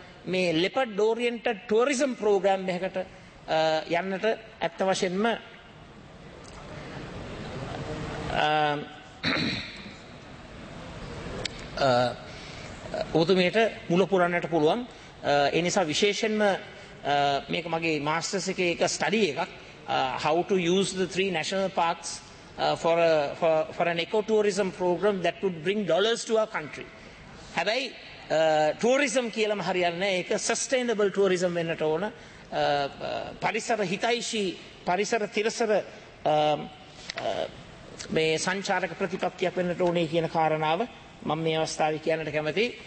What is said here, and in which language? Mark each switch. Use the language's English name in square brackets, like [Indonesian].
[Sinhala] මේ leopard ඕරියන්ටඩ් tourism programme එකකට යන්නට ඇත්ත වශයෙන්ම උතුමියට මුල පුරන්නට පුළුවන්. ඒ නිසා විශේෂයෙන්ම මේක මගේ මාස්ටර්ස් එකේ එක ස්ටඩි එකක්, [English] how to use the three national parks for an ecotourism program that would bring dollars to our country. [Sinhala] හැබැයි tourism කියලම හරියන්නේ නැහැ, ඒක sustainable tourism වෙන්නට ඕන. පරිසර හිතයිෂී, පරිසර තිරසර මේ සංචාරක ප්‍රතිපත්තියක් වෙන්නට ඕනේ කියන කාරණාව මම මේ අවස්ථාවේ කියන්නට කැමති.